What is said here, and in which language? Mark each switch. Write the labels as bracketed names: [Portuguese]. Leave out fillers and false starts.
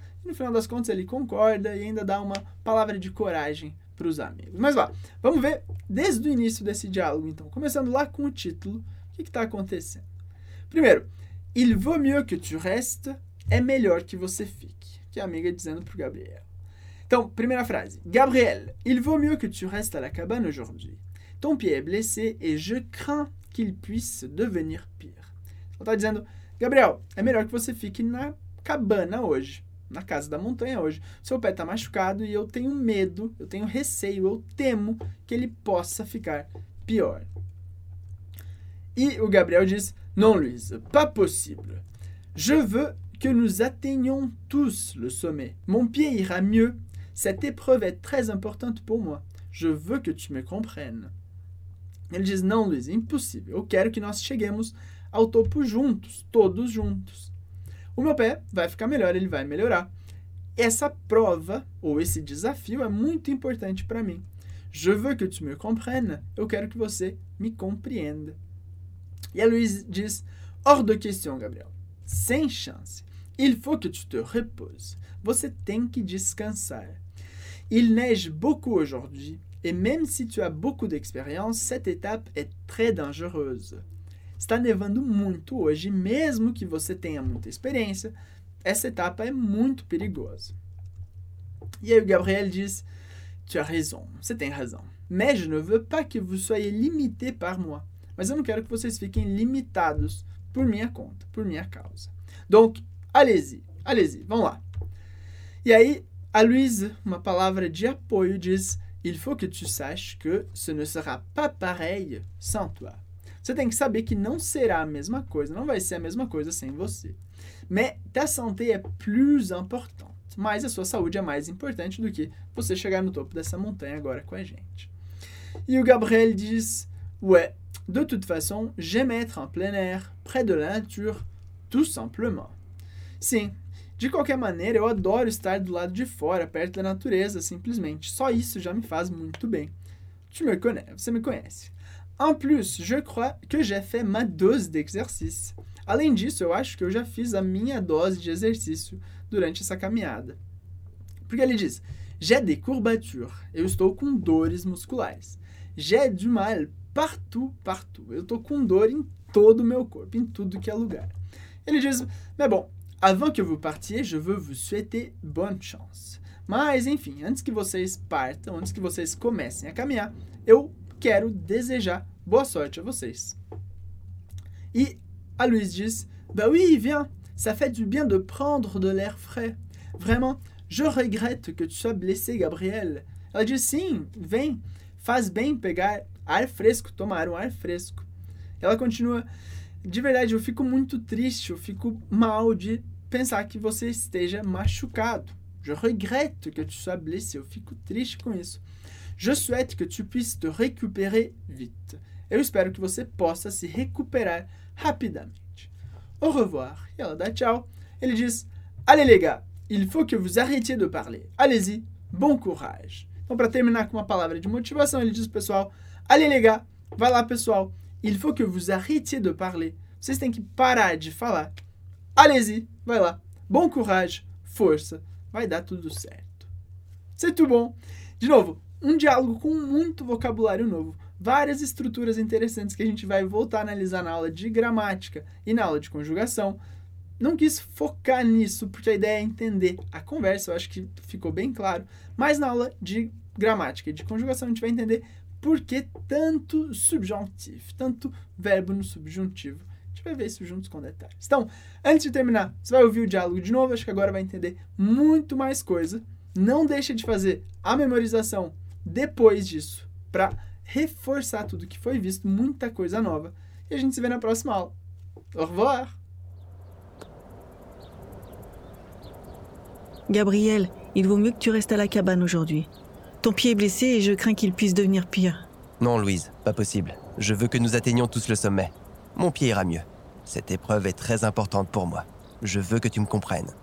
[Portuguese] E no final das contas, ele concorda e ainda dá uma palavra de coragem para os amigos. Mas lá, vamos ver desde o início desse diálogo, então. Começando lá com o título, o que está acontecendo? Primeiro, [French] il vaut mieux que tu restes, [Portuguese] é melhor que você fique. Que a amiga dizendo pro Gabriel. Então, primeira frase. [French] Gabriel, il vaut mieux que tu restes à la cabane aujourd'hui. Ton pied est blessé et je crains qu'il puisse devenir pire. [Portuguese] Ela está dizendo, Gabriel, é melhor que você fique na cabana hoje, na casa da montanha hoje. Seu pé está machucado e eu tenho medo, eu tenho receio, eu temo que ele possa ficar pior. E o Gabriel diz, [French] non, Louise, pas possible. Je veux que nous atteignons tous le sommet. Mon pied ira mieux. Cette épreuve est très importante pour moi. Je veux que tu me comprennes. [Portuguese] Ele diz, não, Luiz, impossível. Eu quero que nós cheguemos ao topo juntos, todos juntos. O meu pé vai ficar melhor, ele vai melhorar. Essa prova, ou esse desafio, é muito importante para mim. [French] Je veux que tu me comprennes. [Portuguese] Eu quero que você me compreenda. E a Luiz diz, [French] hors de question, [Portuguese] Gabriel. Sem chance. [French] Il faut que tu te reposes. [Portuguese] Você tem que descansar. [French] Il neige beaucoup aujourd'hui. Et même si tu as beaucoup d'expérience, cette étape est très dangereuse. [Portuguese] Está nevando muito hoje. Mesmo que você tenha muita experiência, essa etapa é muito perigosa. E aí o Gabriel diz, [French] tu as raison. [Portuguese] Você tem razão. [French] Mais je ne veux pas que vous soyez limité par moi. [Portuguese] Mas eu não quero que vocês fiquem limitados por minha conta, por minha causa. [French] Donc, allez-y, [Portuguese] vamos lá. E aí, [French] Aloïse, ma [Portuguese] palavra de apoio diz: [French] il faut que tu saches que ce ne sera pas pareil sans toi. [Portuguese] Você tem que saber que não será a mesma coisa, não vai ser a mesma coisa sem você. Mas [French] ta santé [Portuguese] é [French] plus importante. [Portuguese] Mas a sua saúde é mais importante do que você chegar no topo dessa montanha agora com a gente. E o Gabriel diz: [French] ouais, de toute façon, j'aime être en plein air, près de la nature, tout simplement. [Portuguese] Sim. De qualquer maneira, eu adoro estar do lado de fora, perto da natureza, simplesmente. Só isso já me faz muito bem. [French] Tu me connais, [Portuguese] você me conhece. [French] En plus, je crois que j'ai fait ma dose d'exercice. [Portuguese] Além disso, eu acho que eu já fiz a minha dose de exercício durante essa caminhada. Porque ele diz, [French] j'ai des courbatures, [Portuguese] eu estou com dores musculares. [French] J'ai du mal partout, partout, [Portuguese] eu estou com dor em todo o meu corpo, em tudo que é lugar. Ele diz, [French] mais bon, avant que vous partiez, je veux vous souhaiter bonne chance. [Portuguese] Mas, enfim, antes que vocês partam, antes que vocês comecem a caminhar, eu quero desejar boa sorte a vocês. E a Louise diz, [French] bah oui, viens, ça fait du bien de prendre de l'air frais. Vraiment, je regrette que tu sois blessé, Gabriel. [Portuguese] Ela diz, sim, vem, faz bem pegar ar fresco, tomar um ar fresco. Ela continua, de verdade, eu fico muito triste, eu fico mal de pensar que você esteja machucado. [French] Je regrette que tu sois blessé, [Portuguese] eu fico triste com isso. [French] Je souhaite que tu puisses te récupérer vite. [Portuguese] Eu espero que você possa se recuperar rapidamente. [French] Au revoir. [Portuguese] E ela dá tchau. Ele diz, [French] allez les gars, il faut que vous arrêtiez de parler. Allez-y, bon courage. [Portuguese] Então, para terminar com uma palavra de motivação, ele diz, pessoal, [French] allez les gars, [Portuguese] vai lá, pessoal. [French] Il faut que vous arrêtiez de parler. [Portuguese] Vocês têm que parar de falar. [French] Allez-y, [Portuguese] vai lá. [French] Bon courage, [Portuguese] força. Vai dar tudo certo. [French] C'est tout bon. [Portuguese] De novo, um diálogo com muito vocabulário novo. Várias estruturas interessantes que a gente vai voltar a analisar na aula de gramática e na aula de conjugação. Não quis focar nisso, porque a ideia é entender a conversa. Eu acho que ficou bem claro. Mas na aula de gramática e de conjugação, a gente vai entender por que tanto subjuntivo, tanto verbo no subjuntivo. A gente vai ver isso juntos com detalhes. Então, antes de terminar, você vai ouvir o diálogo de novo. Acho que agora vai entender muito mais coisa. Não deixa de fazer a memorização depois disso para reforçar tudo que foi visto, muita coisa nova. E a gente se vê na próxima aula. [French] Au revoir! Gabriel, il vaut mieux que tu restes à la cabane aujourd'hui. Ton pied est blessé et je crains qu'il puisse devenir pire. Non, Louise, pas possible. Je veux que nous atteignions tous le sommet. Mon pied ira mieux. Cette épreuve est très importante pour moi. Je veux que tu me comprennes.